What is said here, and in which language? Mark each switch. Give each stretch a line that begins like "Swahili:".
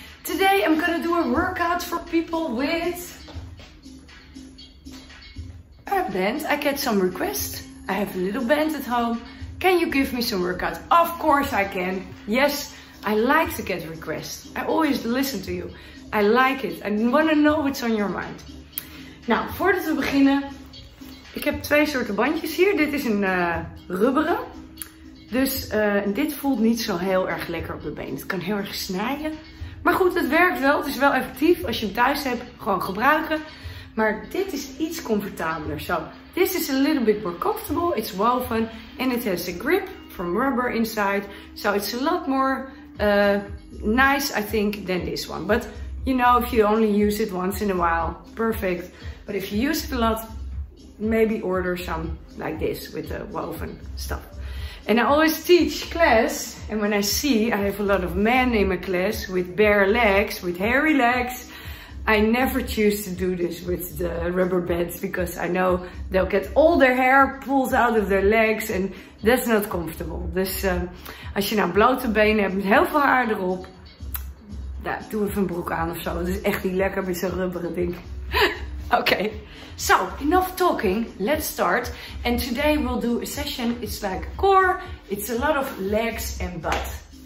English: Today I'm going to do a workout for people with a band. I get some requests. I have a little band at home. Can you give me some workouts? Of course I can. Yes, I like to get requests. I always listen to you. I like it. I want to know what's on your mind.
Dutch: Nou, voordat we beginnen. Ik heb twee soorten bandjes hier. Dit is een rubberen. Dus dit voelt niet zo heel erg lekker op de been. Het kan heel erg snijden. Maar goed, het werkt wel. Het is wel effectief. Als je hem thuis hebt, gewoon gebruiken. Maar dit is iets comfortabeler.
English: So, this is a little bit more comfortable. It's woven. And it has a grip from rubber inside. So it's a lot more nice, I think, than this one. But, you know, if you only use it once in a while, perfect. But if you use it a lot, maybe order some like this with the woven stuff. And I always teach class, and when I see I have a lot of men in my class with bare legs, with hairy legs, I never choose to do this with the rubber bands because I know they'll get all their hair pulled out of their legs and that's not comfortable.
Dutch: Dus als je nou blote benen hebt met heel veel haar erop, nou, doe even een broek aan of zo. Dat is echt niet lekker met zo'n rubberen ding.
English: Okay, so enough talking, let's start. And today we'll do a session, it's like core, it's a lot of legs and butt.